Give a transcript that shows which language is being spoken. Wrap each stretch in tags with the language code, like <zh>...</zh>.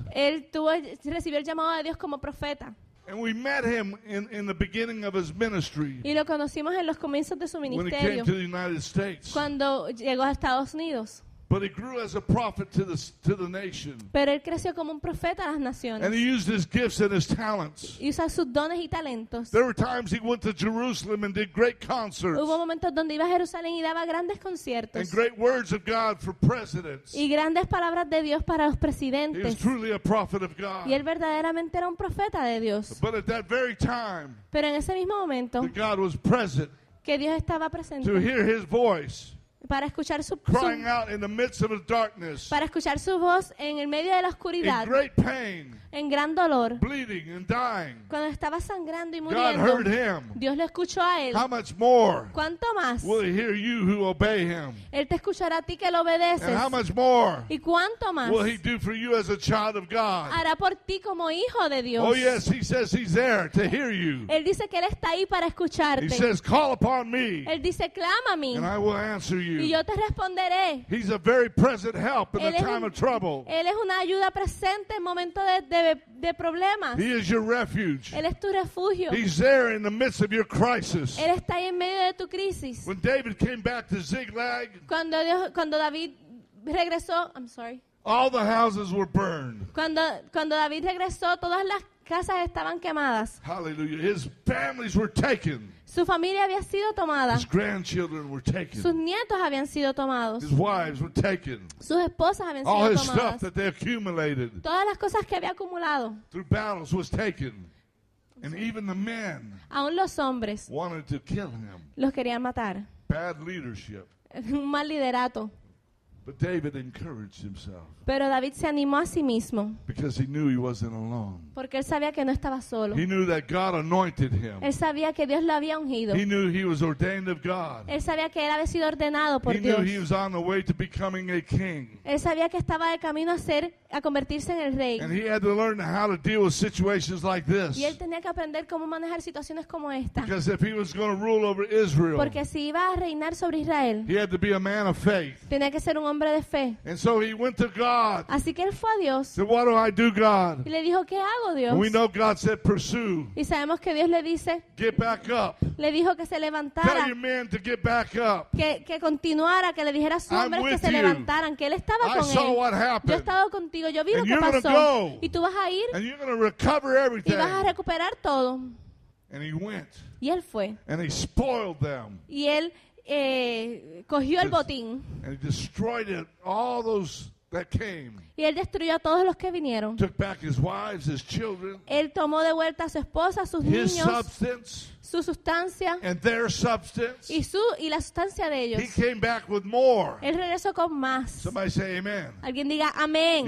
<es>Él tuvo, recibió el llamado de Dios como profeta.</es> <en>And we met him in the beginning of his ministry.</en> <es>Y lo conocimos en los comienzos de su ministerio.</es> <en>When he came to the United States.</en> <es>Cuando llegó a Estados Unidos.</es> <en>But he grew as a prophet to the nation.</en> <es>Pero él creció como un profeta a las naciones.</es> <en>And he used his gifts and his talents.</en> <es>Usó sus dones y talentos.</es> <en>There were times he went to Jerusalem and did great concerts.</en> <es>Hubo momentos donde iba a Jerusalén y daba grandes conciertos.</es> <en>And great words of God for presidents.</en> <es>Y grandes palabras de Dios para los presidentes.</es> <en>He was truly a prophet of God.</en> <es>Y él verdaderamente era un profeta de Dios.</es> <en>But at that very time,</en> <es>pero en ese mismo momento,</es> <en>God was present.</en> <es>Que Dios estaba presente.</es> <en>To hear his voice.</en> <es>para escuchar su</es> <en>crying out in the midst of the darkness,</en> <es>para escuchar su voz en el medio de la oscuridad,</es> <en>in great pain,</en> <es>en gran dolor,</es> <en>bleeding and dying,</en> <es>cuando estaba sangrando y muriendo.</es> <en>God heard him.</en> <es>Dios lo escuchó a él.</es> <en>How much more,</en> <es>¿cuánto más,</es> <en>will he hear you who obey him?</en> <es>Él te escuchará a ti que lo obedeces.</es> <en>And how much more,</en> <es>¿y cuánto más,</es> <en>will he do for you as a child of God?</en> <es>Hará por ti como hijo de Dios.</es> <en>Oh yes, he says he's there to hear you.</en> <es>Él dice que él está ahí para escucharte.</es> <en>He says, call upon me.</en> <es>Él dice, clama a mí.</es> <en>And I will answer you.</en> <es>Y yo te responderé.</es> <en>He's a very present help in the time of trouble.</en> <es>Él es una ayuda presente en momento de problemas.</es> <en>He is your refuge.</en> <es>Él es tu refugio.</es> <en>He's there in the midst of your crisis.</en> <es>Él está ahí en medio de tu crisis.</es> <en>When David came back to Ziklag,</en> <es>cuando David regresó,</es> <en>I'm sorry. All the houses were burned.</en> <es>Cuando David regresó, todas las casas estaban quemadas.</es> <en>Hallelujah. His families were taken.</en> <es>Su familia había sido tomada.</es> <en>His grandchildren were taken.</en> <es>Sus nietos habían sido tomados.</es> <en>His wives were taken.</en> <es>Sus esposas habían</es> <en>all</en> <es>sido</es> <en>his</en> <es>tomadas.</es> <en>Stuff that they accumulated.</en> <es>Todas las cosas que había acumulado.</es> <en>Through battles was taken. And even the men,</en> <es>aún los hombres,</es> <en>wanted to kill him.</en> <es>Los querían matar.</es> <en>Bad leadership.</en> <es>Un mal liderato.</es> <en>But David encouraged himself.</en> <es>Pero David se animó a sí mismo.</es> <en>Because he knew he wasn't alone.</en> <es>Porque él sabía que no estaba solo.</es> <en>He knew that God anointed him.</en> <es>Él sabía que Dios lo había ungido.</es> <en>He knew he was ordained of God.</en> <es>Él sabía que él había sido ordenado por</es> <en>he</en> <es>Dios.</es> <en>Knew he was on the way to becoming a king.</en> <es>Él sabía que estaba de camino a convertirse en el rey.</es> <en>And he had to learn how to deal with situations like this.</en> <es>Y él tenía que aprender cómo manejar situaciones como esta.</es> <en>Because if he was going to rule over Israel,</en> <es>porque si iba a reinar sobre Israel,</es> <en>he had to be a man of faith.</en> <es>Tenía que ser un hombre de fe.</es> <en>And so he went to God.</en> <es>Así que él fue a Dios.</es> <en>Said, what do I do, God?</en> <es>Y le dijo, ¿qué hago, Dios?</es> <en>And we know God said, pursue.</en> <es>Y sabemos que Dios le dice,</es> <en>get back up.</en> <es>Le dijo que se levantara.</es> <en>Tell your man to get back up.</en> <es>Que continuara, que le dijera a sus hombres que se levantaran, que él estaba con él.</es> <en>I saw what happened.</en> <es>Yo he estado contigo. Yo vi</es> <en>and</en> <es>lo que</es> <en>you're Gonna go,</en> <es>y tú vas a ir</es> <en>and you're gonna recover everything.</en> <es>Y vas a recuperar todo.</es> <en>And he went,</en> <es>y él fue.</es> <en>And he spoiled them.</en> <es>Y él cogió el botín.</es> <en>And he destroyed it, all those that came.</en> <es>Y él destruyó a todos los que vinieron.</es> <en>Took back his wives, his children,</en> <es>él tomó de vuelta a su esposa, sus</es> <en>his</en> <es>niños,</es> <en>substance,</en> <es>su sustancia</es> <en>and their substance.</en> <es>Y la sustancia de ellos.</es> <en>He came back with more.</en> <es>Él regresó con más.</es> <en>Somebody say amen.</en> <es>Alguien diga amén.</es>